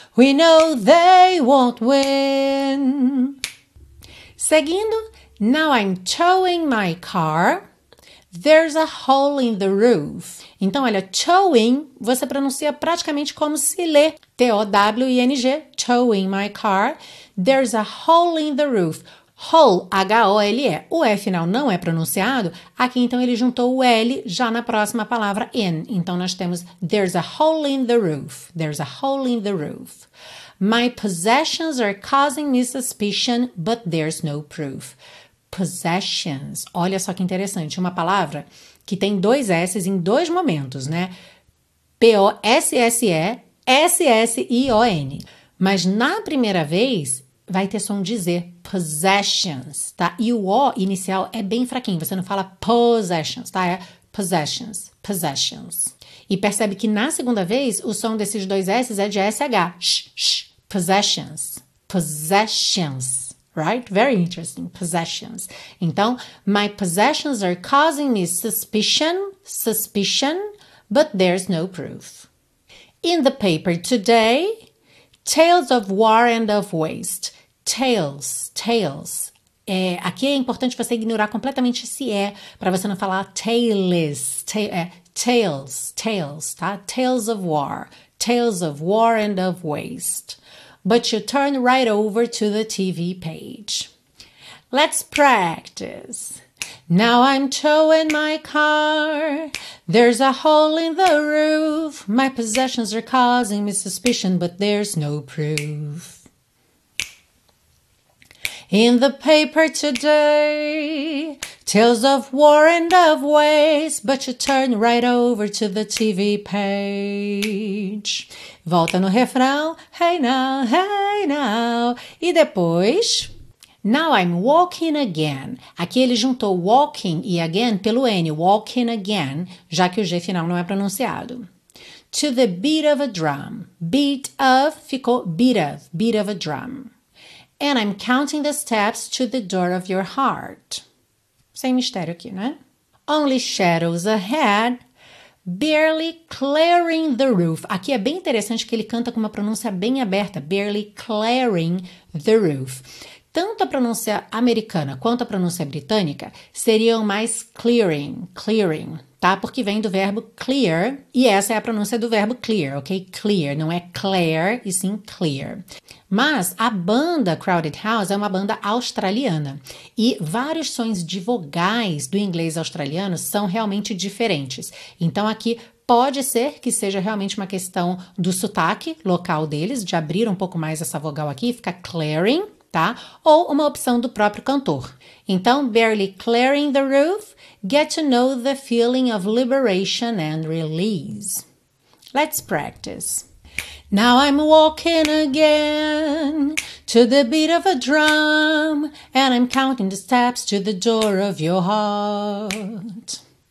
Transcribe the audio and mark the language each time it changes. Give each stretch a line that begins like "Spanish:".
English: We know they won't win.
Portuguese: Seguindo,
English: now I'm towing my car. There's a hole in the roof.
Portuguese: Então, olha, towing, você pronuncia praticamente como se lê.
English: T-O-W-I-N-G, towing my car. There's a hole in the roof. Hole, H-O-L-E.
Portuguese: O E final não é pronunciado. Aqui, então, ele juntou o L já na próxima palavra, in. Então, nós temos,
English: there's a hole in the roof. There's a hole in the roof. My possessions are causing me suspicion, but there's no proof. Possessions.
Portuguese: Olha só que interessante. Uma palavra que tem dois S em dois momentos, né? P-O-S-S-E, S-S-I-O-N. Mas na primeira vez, vai ter som de Z. Possessions, tá? E o O inicial é bem fraquinho. Você não fala possessions, tá? É possessions, possessions. E percebe que na segunda vez, o som desses dois S é de S-H. Shh, shh.
English: Possessions, possessions. Right? Very interesting. Possessions.
Portuguese: Então,
English: my possessions are causing me suspicion, suspicion, but there's no proof. In the paper today, Tales of War and of Waste. Tales, tales.
Portuguese: É, aqui é importante você ignorar completamente esse E, para você não falar tales, tales, tales, tá?
English: Tales of War. Tales of War and of Waste. But you turn right over to the TV page. Let's practice. Now I'm towing my car. There's a hole in the roof. My possessions are causing me suspicion, but there's no proof. In the paper today, tales of war and of waste, but you turn right over to the TV page.
Portuguese: Volta no refrão,
English: hey now, hey now.
Portuguese: E depois,
English: now I'm walking again.
Portuguese: Aqui ele juntou walking e again pelo N,
English: walking again,
Portuguese: já que o G final não é pronunciado.
English: To the beat of a drum. Beat of
Portuguese: ficou
English: beat of a drum. And I'm counting the steps to the door of your heart.
Portuguese: Sem mistério aqui, né?
English: Only shadows ahead, barely clearing the roof.
Portuguese: Aqui é bem interessante que ele canta com uma pronúncia bem aberta.
English: Barely clearing the roof.
Portuguese: Tanto a pronúncia americana quanto a pronúncia britânica seriam mais clearing, clearing, tá? Porque vem do verbo clear e essa é a pronúncia do verbo clear, ok? Clear, não é clear e sim clear. Mas a banda Crowded House é uma banda australiana e vários sons de vogais do inglês australiano são realmente diferentes. Então aqui pode ser que seja realmente uma questão do sotaque local deles, de abrir um pouco mais essa vogal aqui, fica clearing. Tá? Ou uma opção do próprio cantor. Então,
English: barely clearing the roof, get to know the feeling of liberation and release. Let's practice. Now I'm walking again to the beat of a drum and I'm counting the steps to the door of your heart.